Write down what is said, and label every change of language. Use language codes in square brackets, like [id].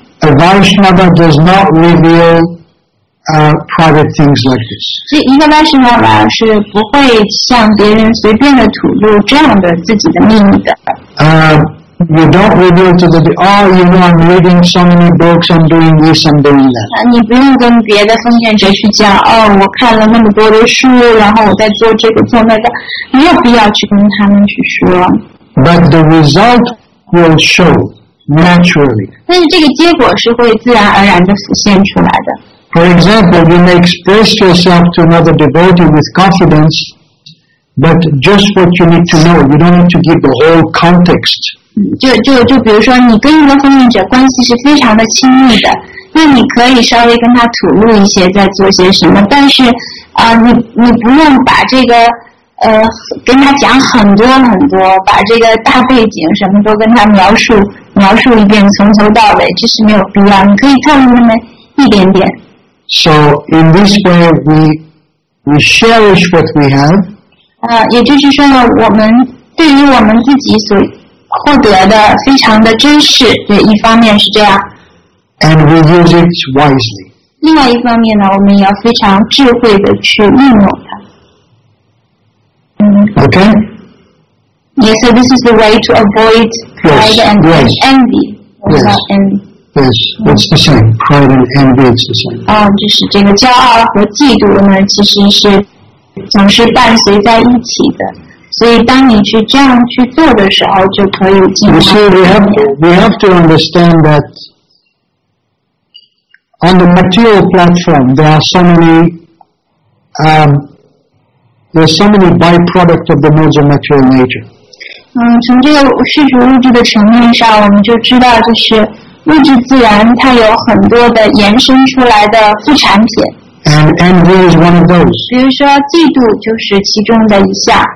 [en] A Vaishnava does not reveal private things like this. [zh] 这一个 Vaishnava 是不会向别人随便的吐露这样的自己的秘密的。 [en] You don't reveal to the I'm reading so many books, I'm doing this, I'm doing that. [zh] 你不用跟别的奉献者去讲我看了那么多的书，然后我在做这个做那个，没有必要去跟他们去说。 [en] But the result will show. Naturally. [zh] 但是这个结果是会自然而然地浮现出来的。 [en] For example, you may express yourself to another devotee with confidence, but just what you need to know, you don't need to give the whole context. [zh] 就比如说你跟一个奉献者关系是非常的亲密的，那你可以稍微跟他吐露一些在做些什么，但是你不用把这个跟他讲很多很多，把这个大背景什么都跟他描述一遍，从头到尾，这是没有必要。你可以透露那么一点点。 [en] So in this way, we cherish what we have. [zh] 也就是说呢，我们对于我们自己所获得的非常的珍视，对，一方面是这样。 [en] And we use it wisely. [zh] 另外一方面呢，我们也要非常智慧的去运用它。 [en] Okay. Yes, so this is the way to avoid pride and envy. Yes, it's the same. Pride and envy is the same. [zh] 就是这个骄傲和嫉妒呢，其实是总是伴随在一起的。所以当你去这样去做的时候，就可以进入。 [en] You see, we have to understand that on the material platform, there are so many, There's so many byproducts of the modes of material nature. [zh] 从这个世俗物质的层面上，我们就知道，就是物质自然它有很多的延伸出来的副产品。 [en] And envy is one of those. [zh] 比如说，嫉妒就是其中的一项。